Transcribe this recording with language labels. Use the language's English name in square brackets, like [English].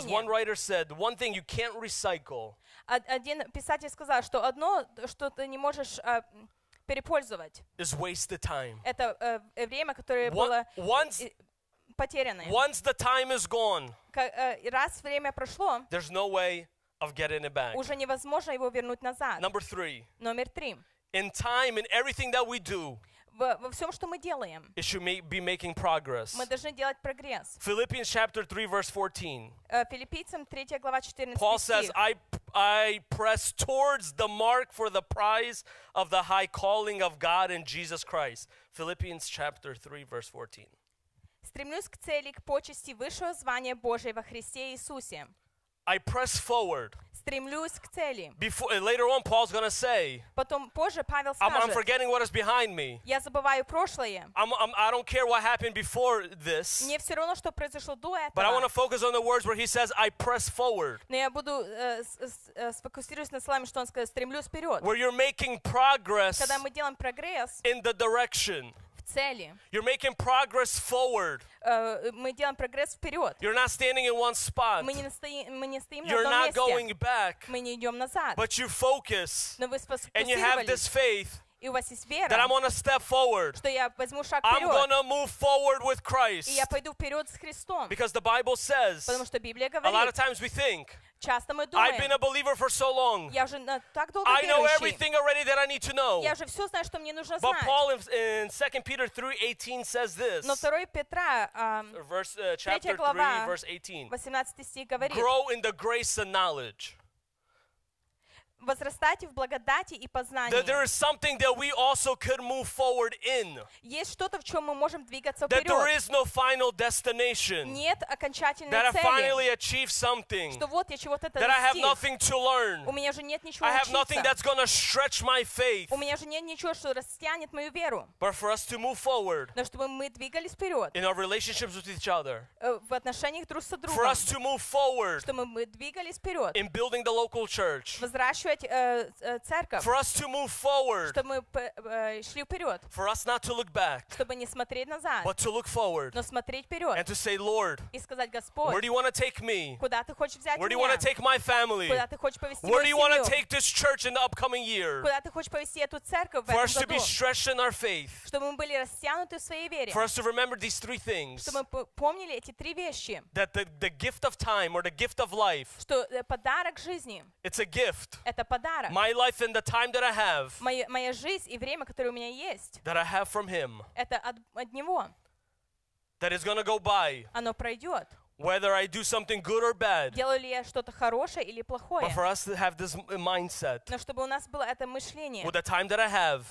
[English] Because one writer said, one thing you can't recycle. [Russian] Один писатель сказал, что одно, что ты не можешь перепользовать. [English] Is wasted time. [Russian] Это время, которое было потерянное. [English] Once the time is gone. [Russian] Раз время прошло. [English] There's no way of getting it back. [Russian] Уже невозможно его вернуть назад. [English] Number three. [Russian] Номер три. [English] In time, in everything that we do, [Russian] во всем, что мы делаем, [English] it should be making progress. [Russian] Мы должны делать прогресс. [English] Philippians chapter 3, verse 14. [Russian] Филиппийцам 3 глава 14. [English] Paul says, I press towards the mark for the prize of the high calling of God in Jesus Christ. Philippians chapter 3, verse 14. [Russian] Стремлюсь к цели, к почести высшего звания Божия во Христе Иисусе. [English] I press forward. [Russian] Стремлюсь к цели. [English] Before, later on, Paul's going to say, [Russian] потом, позже, Павел скажет, [English] I'm forgetting what is behind me. [Russian] Я забываю прошлое. [English] I don't care what happened before this. [Russian] Мне все равно, что произошло до этого. [English] But I want to focus on the words where he says, I press forward. [Russian] Но я буду сфокусируюсь на словах, что он сказал, стремлюсь вперед. [English] Where you're making progress, [Russian] когда мы делаем прогресс, [English] in the direction. [Russian] Цели. [English] You're making progress forward. [Russian] Мы делаем прогресс вперед. [English] You're not standing in one spot. [Russian] Мы не стоим [English] You're [Russian] на одном [English] not [Russian] месте. [English] Going back. [Russian] Мы не идем назад. [English] But you focus. [Russian] Но вы сфокусировались. [English] And you have this faith. [Russian] И у вас есть вера. [English] That I'm gonna step forward. [Russian] Что я возьму шаг вперед. [English] I'm gonna move forward with Christ. [Russian] И я пойду вперед с Христом. [English] Because the Bible says. [Russian] Потому что Библия говорит. [English] A lot of times we think. [Russian] Часто мы думаем. [English] I've been a believer for so long. [Russian] Я уже так долго верующий. [English] I know everything already that I need to know. [Russian] Я уже все знаю, что мне нужно знать. [English] But Paul in 2 Peter 3:18 says this. [Russian] Но 2 Петра, [English] chapter 3, verse 18. [Russian] 18 стих говорит. [English] Grow in the grace and knowledge. [Russian] Возрастайте в благодати и познании. [English] That there is something that we also could move forward in. [Russian] Есть что-то, в чем мы можем двигаться вперед. [English] That there is no final destination. [Russian] Нет окончательной цели. [English] I finally achieve something. [Russian] Что вот я чего-то достиг. [English] That I have nothing to learn. [Russian] У меня же нет ничего учиться. [English] I have nothing that's going to stretch my faith. [Russian] У меня же нет ничего, что растянет мою веру. [English] But for us to move forward. [Russian] Но чтобы мы двигались вперед. [English] In our relationships with each other. [Russian] В отношениях друг с другом. [English] For us to move forward. [Russian] Чтобы мы двигались вперед. [English] In building the local church. [Russian] Церковь, [English] for us to move forward, [Russian] чтобы мы шли вперед, [English] for us not to look back, [Russian] чтобы не смотреть назад, [English] but to look forward, [Russian] но смотреть вперед, [English] and to say, Lord, [Russian] и сказать, Господь, [English] where do you want to take me? [Russian] Куда ты хочешь взять меня? [English] Where do you want to take my family? [Russian] Куда ты хочешь повести мою семью? [English] Where do you want to take this church in the upcoming year? [Russian] Куда ты хочешь повести эту церковь в этом году? [English] For us to be stretched in our faith, [Russian] чтобы мы были растянуты в своей вере, [English] for us to remember these three things, [Russian] чтобы мы помнили эти три вещи, [English] that the gift of time or the gift of life, [Russian] что подарок жизни, [English] it's a gift. [Russian] Это подарок. [English] My life and the time that I have. [Russian] Моя жизнь и время, которое у меня есть. [English] That I have from him. [Russian] Это от него. [English] That is going to go by. [Russian] Оно пройдет. [English] Whether I do something good or bad. [Russian] Делаю ли я что-то хорошее или плохое. [English] But for us to have this mindset. [Russian] Но чтобы у нас было это мышление. [English] With the time that I have.